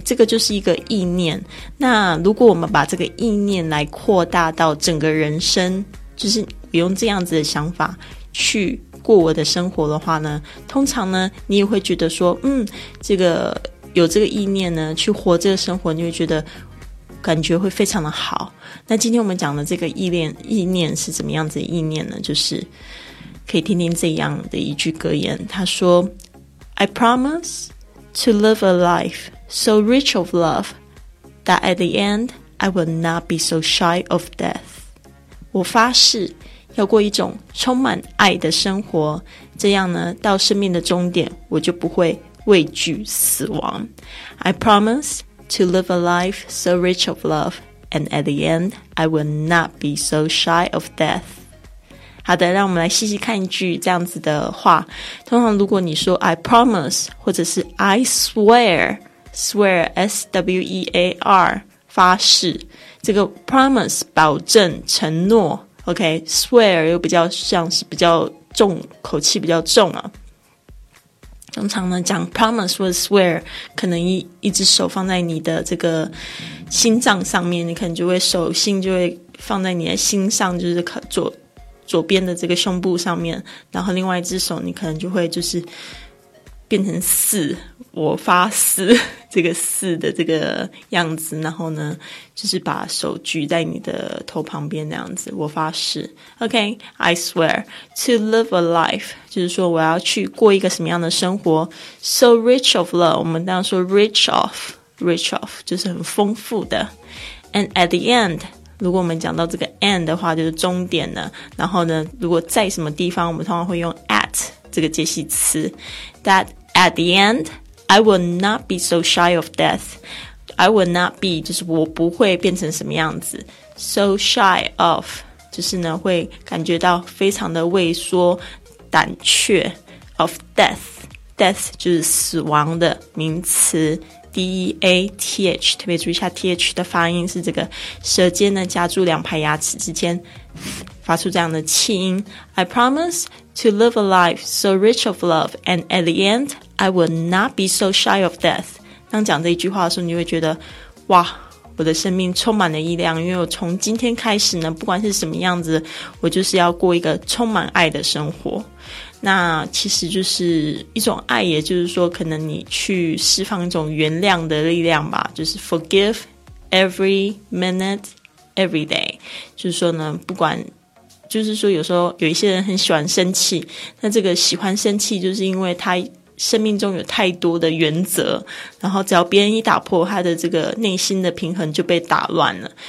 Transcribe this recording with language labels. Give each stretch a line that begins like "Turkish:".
Chinese: 这个就是一个意念。那如果我们把这个意念来扩大到整个人生，就是不用这样子的想法去过我的生活的话呢，通常呢你也会觉得说这个有这个意念呢去活这个生活，你会觉得感觉会非常的好。那今天我们讲的这个意念是怎么样子的意念呢，就是可以听听这样的一句格言。他说
English: I promise to live a lifeSo rich of love that at the end I will not be so shy of death.
Chinese: 我发誓要过一种充满爱的生活，这样呢到生命的终点我就不会畏惧死亡。
English: I promise to live a life so rich of love and at the end I will not be so shy of death.
Chinese: 好的，让我们来细细看一句这样子的话。通常如果你说
English: I promise
Chinese: 或者是
English: I swear,
Chinese: S-W-E-A-R, 发誓，这个 promise, 保证承诺， OK, swear 又比较像是比较重，口气比较重啊。通常呢讲 promise 或 swear, 可能 一只手放在你的这个心脏上面，你可能就会手心就会放在你的心上，就是左边的这个胸部上面，然后另外一只手你可能就会就是变成死，我发誓这个死的这个样子，然后呢就是把手举在你的头旁边那样子，我发誓。
English: OK, I swear to live a life,
Chinese: 就是说我要去过一个什么样的生活。
English: So rich of love,
Chinese: 我们当然说 rich of 就是很丰富的。
English: And at the end,
Chinese: 如果我们讲到这个 end 的话就是终点呢，然后呢如果在什么地方，我们通常会用 at 这个介系词。
English: That at the end, I will not be so shy of death. I will not be,
Chinese: 就是我不会变成什么样子。
English: So shy of,
Chinese: 就是呢会感觉到非常的畏缩胆怯。
English: Of death,
Chinese: death 就是死亡的名词。 D-E-A-T-H, 特别注意一下 TH 的发音，是这个舌尖呢夹住两排牙齿之间发出这样的气音。
English: I promise to live a life so rich of love, and at the end, I will not be so shy of death.
Chinese: 当讲这一句话的时候，你会觉得，哇，我的生命充满了力量，因为我从今天开始呢，不管是什么样子，我就是要过一个充满爱的生活。那其实就是一种爱，也就是说可能你去释放一种原谅的力量吧，就是
English: forgive every minute every day,
Chinese: 就是说呢不管，就是说有时候有一些人很喜欢生气，那这个喜欢生气就是因为他生命中有太多的原则，然后只要别人一打破他的这个内心的平衡就被打乱了。